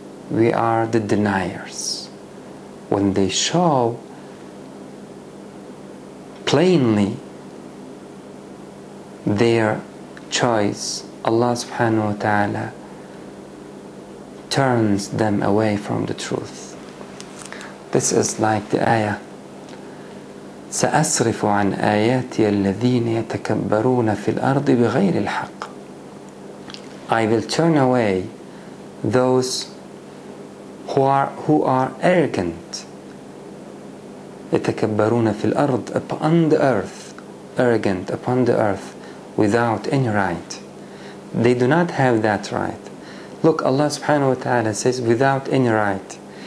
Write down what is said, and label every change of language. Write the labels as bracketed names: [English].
[English] We are the deniers. When they show plainly their choice, Allah subhanahu wa ta'ala turns them away from the truth. This is like the ayah, [Arabic] سَأَصْرِفُ عَنْ آيَاتِيَ الَّذِينَ يَتَكَبَّرُونَ فِي الْأَرْضِ بِغَيْرِ الْحَقِّ. [English] I will turn away those who are arrogant, [Arabic] يَتَكَبَّرُونَ فِي الْأَرْضِ, [English] upon the earth, arrogant upon the earth, without any right. They do not have that right. Look, Allah subhanahu wa ta'ala says without any right.